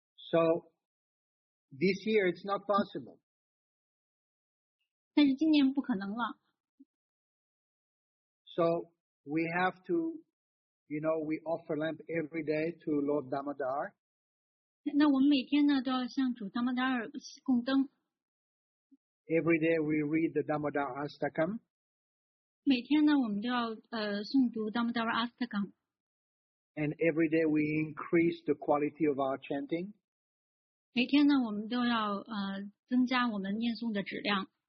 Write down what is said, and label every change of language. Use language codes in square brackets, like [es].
[en] So this year it's not possible. [zh] 但是今年不可能了。 [en] So we have to, you know, we offer lamp every day to Lord Damodar. [zh] 那我们每天呢都要向主达摩达尔供灯。 [en] Every day we read the Damodar Astakam. [zh] 每天呢我们都要诵读达摩达尔阿斯塔甘。 [en] And every day we increase the quality of our chanting. [zh] 每天呢我们都要增加我们念诵的质量。